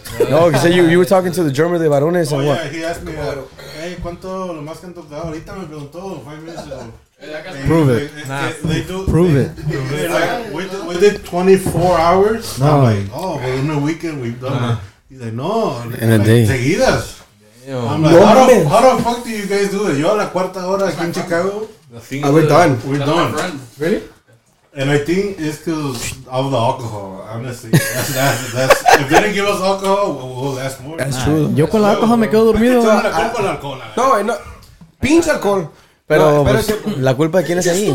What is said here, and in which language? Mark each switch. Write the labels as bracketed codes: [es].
[en] No, you said you were talking to the German de Barones. Oh, yeah, he asked me, hey, [es] ¿cuánto lo más que han tocado? Ahorita me preguntó, [en] 5 minutes ago. Prove it. Prove it. We did 24 hours. No. I'm like, oh, well, in a weekend we've done it. He's like, no. In like, a day. [es] Seguidas. Damn. [en] I'm like, no, how the fuck do you guys do it? You're [es] la cuarta hora aquí en Chicago? [en] We're done. Really? And I think it's because of the alcohol, honestly. That's if they didn't give us alcohol, we'll ask more. That's true. [es] Yo con la alcohol me quedo dormido. No, pinche alcohol. Pero, no, pero la culpa de quién es ahí.